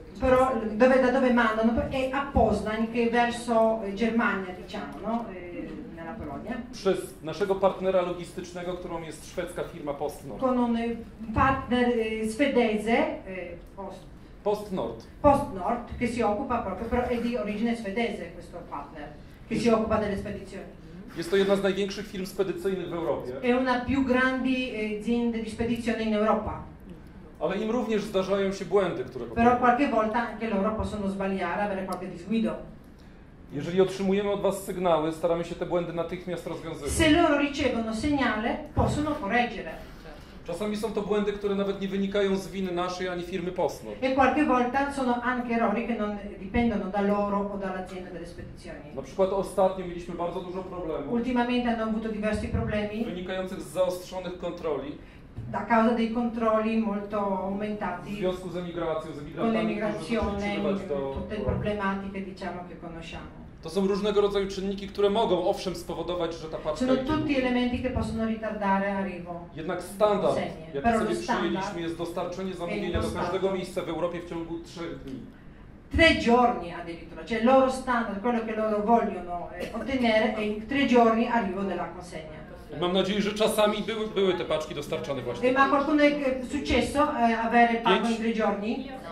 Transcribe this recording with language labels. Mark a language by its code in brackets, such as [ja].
[it] Però dove, da dove mandano? È a Poznań, che verso Germania, diciamo, no? Nella Polonia. [pl] Przez naszego partnera logistycznego, którą jest szwedzka firma PostNord. [it] Con un partner svedese, PostNord. PostNord, che si occupa proprio, però è di origine svedese questo partner. Che si occupa delle spedizioni. [pl] Jest to jedna z największych firm spedycyjnych w Europie. [it] È una più grandi aziende di spedizione in Europa. [pl] Ale im również zdarzają się błędy, które popełniają. [it] Però qualche volta anche loro possono sbagliare, avere qualche disguido. [pl] Jeżeli otrzymujemy od was sygnały, staramy się te błędy natychmiast rozwiązywać. [it] Se loro ricevono segnale, possono correggere. [pl] Czasami są to błędy, które nawet nie wynikają z winy naszej ani firmy PostNord. [it] E qualche volta sono anche errori che non dipendono da loro o dall'azienda delle spedizioni. [pl] Na przykład ostatnio mieliśmy bardzo dużo problemów. [it] Ultimamente hanno avuto diversi problemi. [pl] Wynikających z zaostrzonych kontroli. [it] Da causa dei controlli molto aumentati. [pl] W związku z emigracją, z emigrantami, którzy zaczęli przybywać do... [it] Tutte problematiche, diciamo, che conosciamo. [pl] To są różnego rodzaju czynniki, które mogą owszem spowodować, że ta paczka... [it] Sono tutti elementi che possono ritardare arrivo. [pl] Jednak standard, jaki sobie przyjęliśmy, jest dostarczenie zamówienia do każdego miejsca w Europie w ciągu 3 dni. [it] Tre giorni addirittura, cioè loro standard, quello che loro vogliono ottenere, è in 3 giorni arrivo della consegna. [pl] I mam nadzieję, że czasami były te paczki dostarczone właśnie. [it] Ma qualcuno successo avere pacco in 3 giorni?